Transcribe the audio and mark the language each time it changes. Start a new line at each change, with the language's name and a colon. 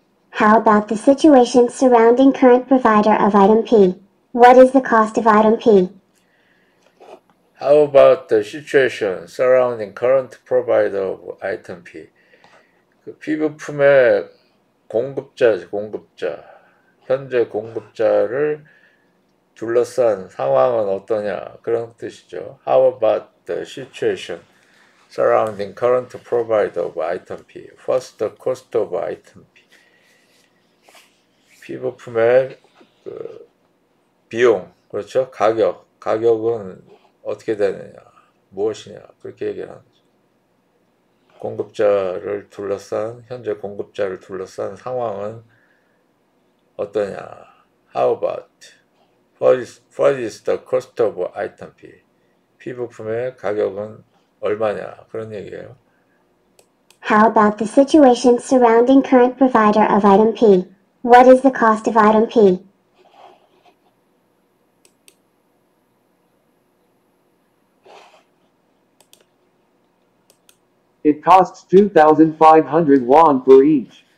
English: How about the situation surrounding current provider of item P? What is the cost of item P? How about the situation surrounding current provider of item P?
Korean: 그 P 부품의 공급자지, 공급자. 현재 공급자를 둘러싼 상황은 어떠냐? 그런 뜻이죠.
English: How about the situation surrounding current provider of item P? What's the cost of item P?
Korean: P 부품의 비용, 그렇죠? 가격. 가격은 어떻게 되느냐? 무엇이냐? 그렇게 얘기를 하는 거죠. 공급자를 둘러싼, 현재 공급자를 둘러싼 상황은 어떠냐?
English: How about? What is the cost of item P?
Korean: P 부품의 가격은 얼마냐? 그런 얘기예요.
English: How about the situation surrounding current provider of item P? What is the cost of item P? It costs 2,500 won for each.